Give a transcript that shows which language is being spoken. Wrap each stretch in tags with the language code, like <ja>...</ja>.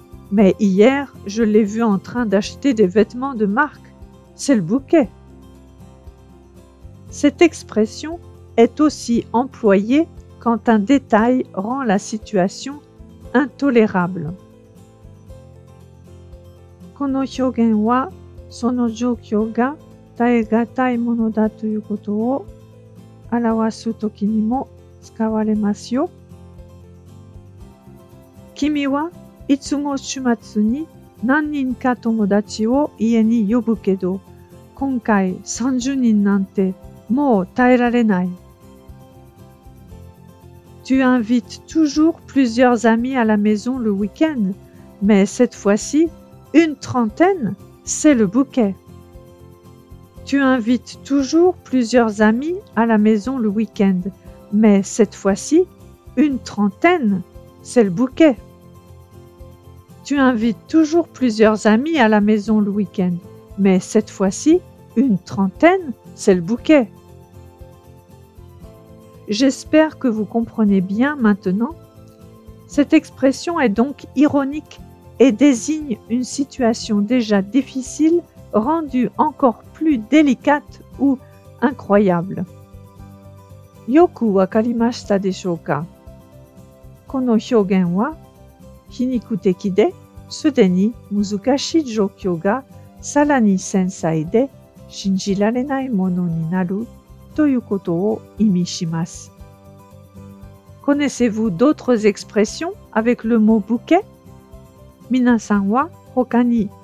<fr>Mais hier, je l'ai vue en train d'acheter des vêtements de marque. C'est le bouquet. Cette expression est aussi employée quand un détail rend la situation intolérable.</fr> <ja>この表現はその状況が耐えがたいものだということを表すときにも使われますよ。君はいつも週末に何人か友達を家に呼ぶけど、今回30人なんてもう耐えられない。</ja> <fr>Tu invites toujours plusieurs amis à la maison le week-end, mais cette fois-ci, une trentaine, c'est le bouquet. Tu invites toujours plusieurs amis à la maison le week-end, mais cette fois-ci, une trentaine, c'est le bouquet. Tu invites toujours plusieurs amis à la maison le week-end, mais cette fois-ci, une trentaine, c'est le bouquet. J'espère que vous comprenez bien maintenant. Cette expression est donc ironique et désigne une situation déjà difficile rendue encore plus délicate ou incroyable.</fr> <ja>よくわかりましたでしょうか?この表現は皮肉的で、すでに難しい状況がさらに繊細で信じられないものになるということを意味します。</ja> <fr>Connaissez-vous d'autres expressions avec le mot bouquet?</fr> <ja>皆さんは他に</ja>